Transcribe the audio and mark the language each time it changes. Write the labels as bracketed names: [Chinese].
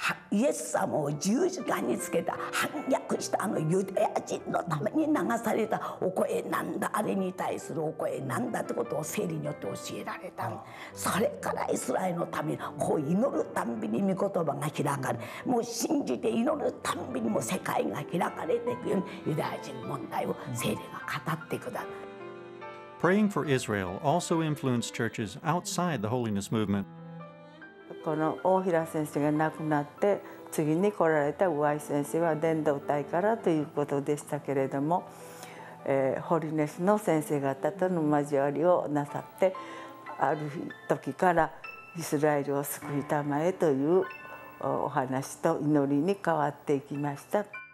[Japanese] イエス様を十字架につけた反逆したあのユダヤ人のために流されたお声なんだ、あれに対するお声なんだってことを聖霊によって教えられた。それからイスラエルのためにこう祈るたんびに御言葉が開かれ、もう信じて祈るたんびにも世界が開かれていくように、ユダヤ人問題を聖霊が語ってくだ。 [English] Praying for Israel also influenced churches outside the holiness movement。 [Japanese] この大平先生が亡くなって次に来られた上井先生は伝道隊からということでしたけれども、ホリネスの先生方との交わりをなさって、ある時からイスラエルを救いたまえというお話と祈りに変わっていきました。